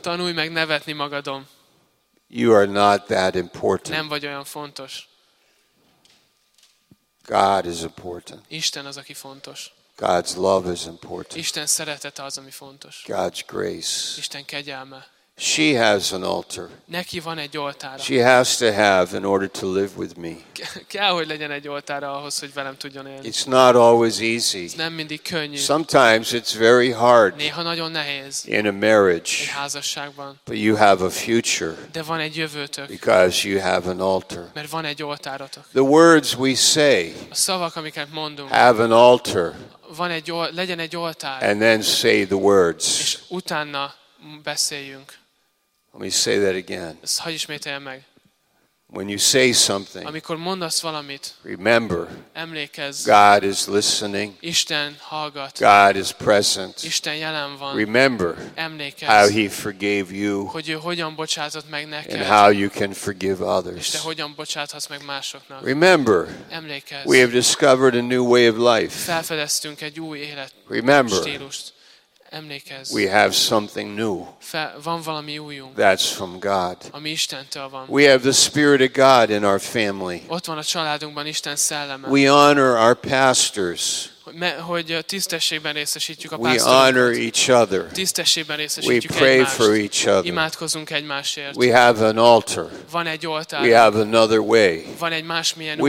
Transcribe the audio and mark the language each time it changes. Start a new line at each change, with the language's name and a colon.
Hungarian: Tanulj meg nevetni magadon.
English: You are not that important.
Hungarian: Nem vagy olyan fontos.
English: God is important.
Hungarian: Isten az, aki fontos.
English: God's love is important.
Hungarian: Isten szeretete az, ami fontos.
English: God's grace.
Hungarian: Isten kegyelme.
English: She has an altar.
Hungarian: Neki van egy oltára.
English: She has to have in order to live with me.
Hungarian: Kell, hogy legyen egy oltára ahhoz, hogy velem tudjon élni.
English: It's not always easy.
Hungarian: Ez nem mindig könnyű.
English: Sometimes it's very hard.
Hungarian: Néha nagyon nehéz.
English: In a marriage.
Hungarian: Egy házasságban.
English: But you have a future.
Hungarian: De van egy jövőtök.
English: Because you have an altar.
Hungarian: Mert van egy oltáratok.
English: The words we say.
Hungarian: A szavak, amiket mondunk.
English: Have an altar.
Hungarian: Van egy legyen egy oltár.
English: And then say the words.
Hungarian: És utána beszéljünk.
English: Let me say that again.
Hungarian: Hogy ismételjem meg.
English: When you say something,
Hungarian: amikor mondasz valamit,
English: remember,
Hungarian: emlékezz,
English: God is listening.
Hungarian: Isten hallgat.
English: God is present.
Hungarian: Isten jelen van.
English: Remember,
Hungarian: emlékezz,
English: how He forgave you.
Hungarian: Hogy ő hogyan bocsátott meg neked.
English: And how you can forgive others.
Hungarian: És te hogyan bocsáthatsz meg másoknak.
English: Remember,
Hungarian: emlékezz,
English: we have discovered a new way of life.
Hungarian: Felfedeztünk egy új élet.
English: Remember,
Hungarian: stílust. Emlékezz.
English: We have something new.
Hungarian: Van valami újunk.
English: That's from God.
Hungarian: Ami Istentől van.
English: We have the Spirit of God in our family.
Hungarian: Ott van a családunkban Isten szelleme.
English: We honor our pastors.
Hungarian: Hogy tisztességben részesítjük a pásztorokat.
English: We honor each other.
Hungarian: Tisztességben részesítjük egymást.
English: We pray for each other.
Hungarian: Imádkozunk egymásért.
English: We have an altar.
Hungarian: Van egy oltár.
English: We have another way.
Hungarian: Van egy másmilyen út.